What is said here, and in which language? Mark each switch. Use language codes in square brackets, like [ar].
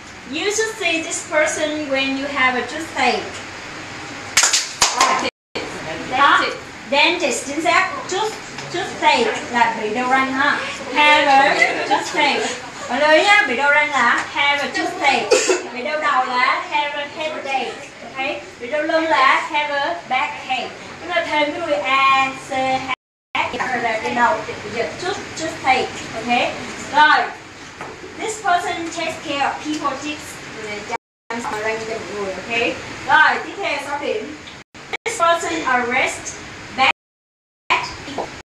[en] You should see this person when you have a toothache. Dentist, [vi] chính xác. Toothache là bị đau răng ha. [en] Have a toothache. [vi] Mọi người nhá, bị đau răng là [en] have a toothache. [vi] Bị đau đầu là [en] have a headache. [vi] Okay. Bị đau lưng là [en] have a backache. [vi] Chúng ta thêm cái đuôi A, C, H, H là cái đầu. Toothache. Okay. Rồi. [en] This person takes care of people, takes [vi] chăm sóc răng cho mọi người. Okay. Rồi, tiếp theo 6 điểm. [en] This person arrests bad people.